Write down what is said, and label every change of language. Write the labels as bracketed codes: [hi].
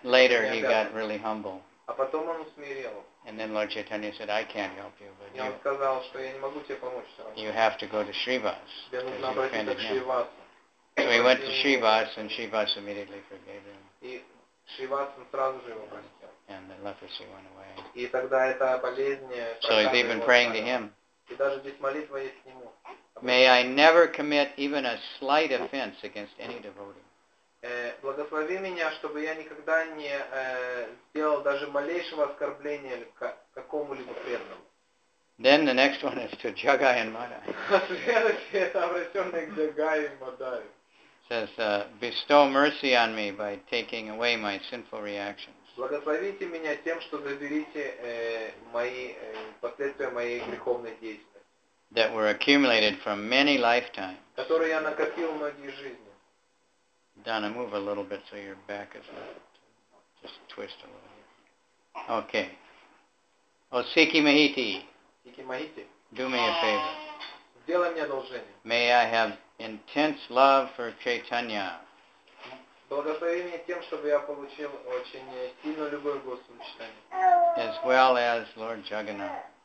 [en] later he got really humble. [ru] А потом он усмирил. [en] And then Lord Chaitanya said, I can't help you, but you, [ru] сказал, что я не могу тебе помочь сразу. [en] You have to go to Srivas. [ru] Я нужно обратиться к Шривасу. [en] So he went to Srivas, and Srivas immediately forgave him. [ru] И Шривасу сразу же его простил. [en] And the leprosy went away. [ru] И тогда эта болезнь. [en] So he's even praying to him. [ru] И даже здесь молитва есть к нему. [en] May I never commit even a slight offense against any devotee. [ru] Благослови меня, чтобы я никогда не сделал даже малейшего оскорбления какому-либо преданному. [en] Then the next one is to Jagai and Madai. [ru] Следующее это обращенное к Jagai and Madai. [en] Says, bestow mercy on me by taking away my sinful reactions. [ru] Благословите меня тем, что заберите мои последствия моей греховной деятельности. [en] That were accumulated from many lifetimes. [ru] Которые я накопил многие жизни. [en] Donna, move a little bit so your back is not just twist a little. Okay. Osiki Mahiti. Do me a favor. [ru] Сделай мне одолжение. [en] May I have intense love for Chaitanya. [ru] Благослови меня тем, чтобы я получил очень сильную любовь к Господу Чайтанья. [en] As well as Lord Jagannath.